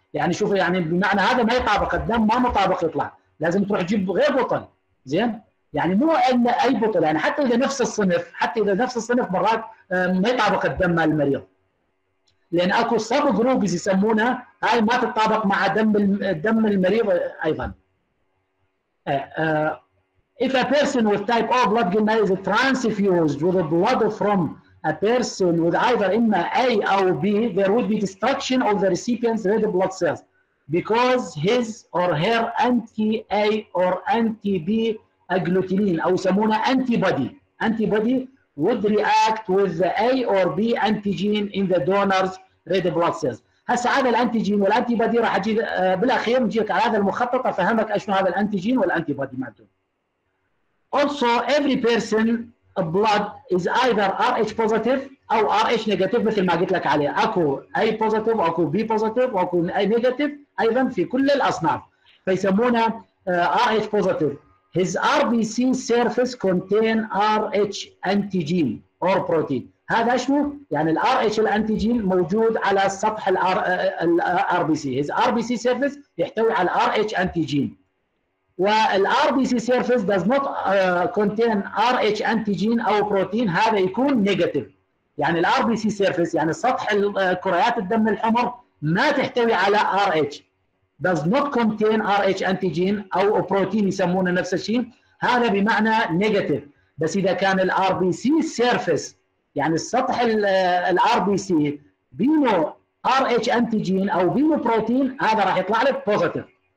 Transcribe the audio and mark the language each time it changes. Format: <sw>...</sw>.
<ar>يعني شوف يعني بمعنى هذا ما يطابق الدم، ما مطابق يطلع، لازم تروح تجيب غير بطل. زين يعني مو ان اي بطل، يعني حتى اذا نفس الصنف، حتى اذا نفس الصنف مرات ما يطابق الدم مال المريض، لان اكو سب جروبز يسمونها هاي ما تتطابق مع دم المريض ايضا.</ar> <en>If a person with type O blood gamma is transfused with blood from a person with either A or B, there would be destruction of the recipient's red blood cells because his or her anti-A or anti-B agglutinin,</en> <ar>أو يسمونه</ar> <en>antibody. Antibody would react with the A or B antigen in the donor's red blood cells.</en> <ar>هسه هذا الانتيجين والانتيبادي راح اجي بالاخير نجيك على هذا المخطط افهمك شنو هذا الانتيجين والانتيبادي معناته.</ar> <en>Also, every person blood is either Rh positive or Rh negative</en> <ar>مثل ما قلت لك عليه. أكو A positive, أكو B positive, أكو A negative أيضا في كل الأصناف. فيسمونه Rh positive.</ar> <en>His RBC surface contain Rh antigen or protein.</en> <ar>هذا شنو؟ يعني ال Rh الأنتيجين موجود على سطح ال RBC.</ar> <en>His RBC surface</en> <ar>يحتوي على</ar> <en>Rh antigen. وال RBC surface does not contain Rh antigen أو protein، هذا يكون negative.</en> <ar>يعني ال RBC surface يعني سطح كريات الدم الحمر ما تحتوي على Rh،</ar> <en>does not contain Rh antigen</en> <ar>أو protein يسمونه نفس الشيء، هذا بمعنى negative. بس إذا كان ال RBC surface يعني السطح ال RBC بينو Rh antigen أو بينو protein، هذا راح يطلع لك positive.</ar>